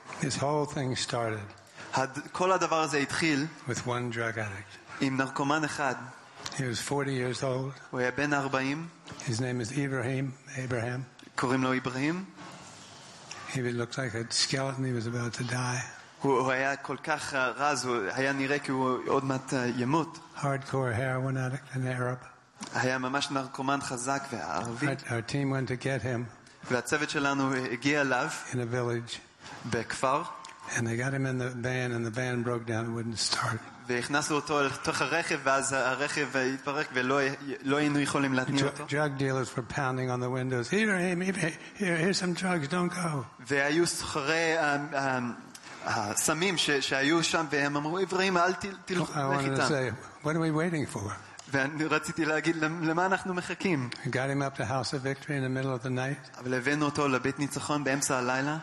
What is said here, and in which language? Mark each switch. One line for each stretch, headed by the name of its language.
English: This whole thing started.
Hebrew: כל הדבר הזה התחיל.
English: With one drug addict.
Hebrew: עם נרקומן אחד.
English: He was 40 years old.
Hebrew: הוא היה בן 40.
English: His name is Abraham.
Hebrew: קוראים לו אברהם.
English: He looked like a skeleton. He was about to die.
Hebrew: הוא היה כל כך רז, הוא היה נראה כי הוא עוד מעט ימות.
English: Hardcore heroin addict and Arab.
Hebrew: היה ממש נרקומן חזק וערבי.
English: Our team went to get him.
Hebrew: והצוות שלנו הגיע אליו.
English: In a village.
Hebrew: בכפר.
English: And they got him in the van and the van broke down and wouldn't start.
Hebrew: והכנסו אותו לתוך הרכב ואז הרכב התפרק ולא היינו יכולים להתניע אותו.
English: Drug dealers were pounding on the windows. Here's some drugs, don't go.
Hebrew: והיו סוחרי הסמים שהיו שם והם אמרו, אברהים, אל תלך איתם.
English: I wanted to say, what are we waiting for?
Hebrew: ואני רציתי להגיד למה אנחנו מחכים.
English: Got him up to house of victory in the middle of the night.
Hebrew: אבל הבאנו אותו לבית ניצחון באמצע הלילה.